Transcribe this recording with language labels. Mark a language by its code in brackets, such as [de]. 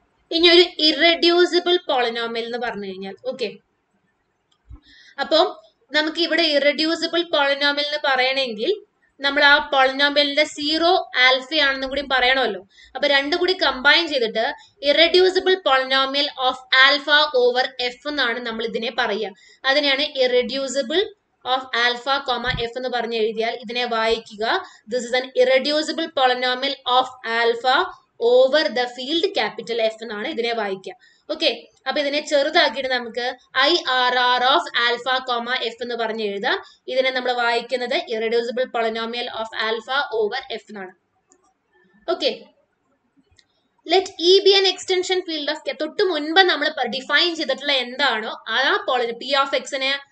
[ml] ഇനി ഒരു irreducible polynomial എന്ന് പറഞ്ഞു കഴിഞ്ഞാൽ, ഓക്കെ, അപ്പോ നമുക്ക് ഇവിടെ ഇറെഡ്യൂസിബിൾ പോളിനോമിയൽ എന്ന് പറയണമെങ്കിൽ നമ്മൾ ആ പോളിനോമിയലിന്റെ സീറോ ആൽഫയാണെന്നും കൂടി പറയണമല്ലോ. അപ്പൊ രണ്ടു കൂടി കമ്പൈൻ ചെയ്തിട്ട് [en] irreducible polynomial of alpha over F [ml] എന്നാണ് നമ്മൾ ഇതിനെ പറയുക. അതിനെയാണ് irreducible [en] of alpha comma f [ml] എന്ന് പറഞ്ഞു എഴുതിയാൽ ഇതിനെ വായിക്കുക, [en] this is an irreducible polynomial of alpha over the field capital F [ml] എന്നാണ് ഇതിനെ വായിക്കുക. ഓക്കെ, അപ്പൊ ഇതിനെ ചെറുതാക്കിയിട്ട് നമുക്ക് I R R of alpha comma F എന്ന് പറഞ്ഞ് എഴുതാം. ഇതിനെ നമ്മൾ വായിക്കുന്നത് [en] irreducible polynomial of alpha over F [ml] എന്നാണ്. Okay, [en] let E be an extension field of [ml] തൊട്ട് മുൻപ് നമ്മൾ ഡിഫൈൻ ചെയ്തിട്ടുള്ള എന്താണോ ആ പോളി പി ഓഫ് എക്സിനെ